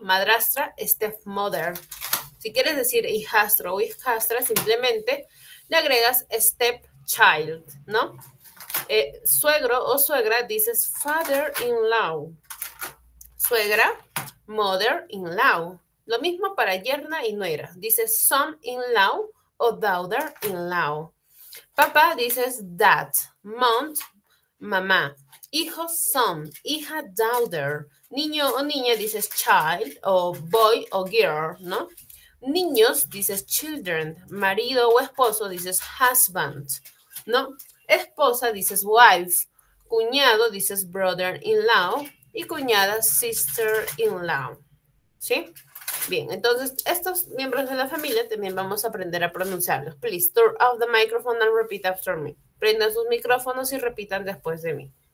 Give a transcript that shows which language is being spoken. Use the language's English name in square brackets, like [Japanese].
[Spanish] Madrastra, stepmother. Si quieres decir hijastro o hijastra, simplemente le agregas stepchild, ¿no? Suegro o suegra, dices father-in-law. Suegra, mother-in-law. Lo mismo para yerna y nuera. Dices son-in-law o daughter-in-law. Papá, dices dad. Mom, mamá. Hijo, son. Hija, daughter. Niño o niña, dices child o boy o girl, ¿no? Niños, dices children. Marido o esposo, dices husband, ¿no? Esposa, dices wife. Cuñado, dices brother-in-law. Y cuñada, sister-in-law, ¿sí? Bien, entonces, estos miembros de la familia también vamos a aprender a pronunciarlos. [English] Please, turn off the microphone and repeat after me. [Spanish] Prendan sus micrófonos y repitan después de mí.